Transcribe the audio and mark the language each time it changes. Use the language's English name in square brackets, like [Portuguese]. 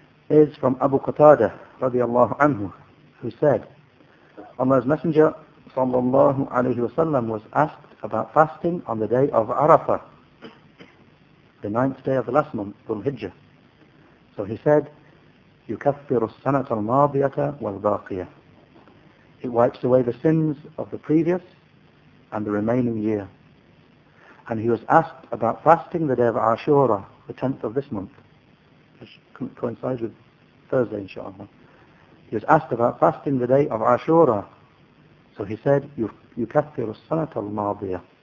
[English] Is from Abu Qatada, radiallahu anhu, who said, Allah's Messenger, sallallahu alayhi wa sallam, was asked about fasting on the day of Arafah, the ninth day of the last month, Dhul Hijjah. So he said, [Arabic] يُكَفِّرُ السَّنَةَ الْمَاضِيَةَ وَالْبَاقِيَةَ. [English] It wipes away the sins of the previous and the remaining year. And he was asked about fasting the day of Ashura, the 10th of this month, which coincides with Thursday, inshallah. He was asked about fasting the day of Ashura. So he said, [Arabic] يُكَفِّرُ السَّنَةَ الْمَاضِيَةَ.